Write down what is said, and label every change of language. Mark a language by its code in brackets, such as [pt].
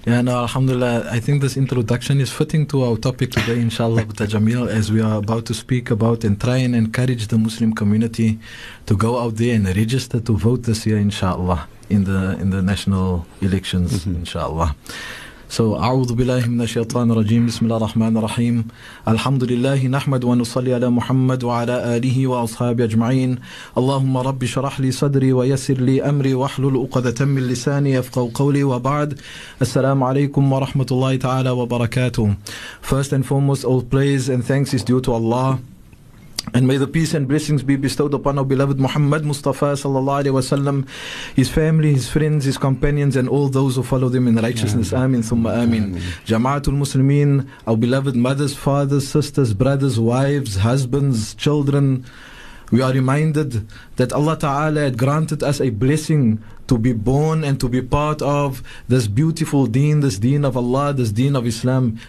[en] Yeah, no, alhamdulillah. I think this introduction is fitting to our topic today, inshallah, Abta Jamil, as we are about to speak about and try and encourage the Muslim community to go out there and register to vote this year, inshallah, in the national elections, inshallah. [ar] So, أعوذ بالله من الشيطان الرجيم بسم الله الرحمن الرحيم الحمد لله نحمد ونصلي على محمد وعلى آله وأصحابه أجمعين اللهم رب شرح لي صدري ويسر لي أمري وحلل أقدة من لساني يفقه قولي وبعد السلام عليكم ورحمة الله تعالى وبركاته. [en] First and foremost, all praise and thanks is due to Allah, and may the peace and blessings be bestowed upon our beloved Muhammad Mustafa sallallahu alaihi wasallam, his family, his friends, his companions, and all those who follow them in righteousness. Amin, thumma amin. Jama'atul Muslimin, our beloved mothers, fathers, sisters, brothers, wives, husbands, children, we are reminded that Allah Ta'ala had granted us a blessing to be born and to be part of this beautiful deen, this deen of Allah, this deen of Islam.